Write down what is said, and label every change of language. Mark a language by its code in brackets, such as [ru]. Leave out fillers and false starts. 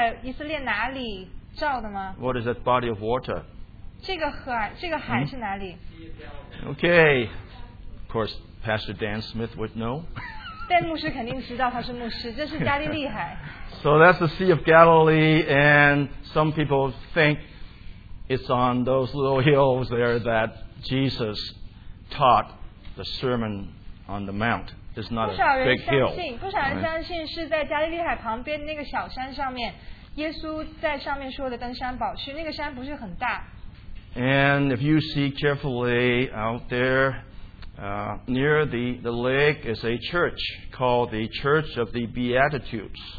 [zh] 大家知道这一幅图片是在以色列哪里照的吗? [en] What is that body of water? [zh] 这个海是哪里? [en] Okay, of course, Pastor Dan Smith would know. [zh] 但牧师肯定知道他是牧师，这是加利利海。 [en] So that's the Sea of Galilee, and some people think it's on those little hills there that Jesus taught the Sermon on the Mount. It's not a big hill. [zh] 不少人相信是在加利利海旁边那个小山上面，耶稣在上面说的登山宝训，那个山不是很大。 [en] And if you see carefully out there, near the lake is a church called the Church of the Beatitudes.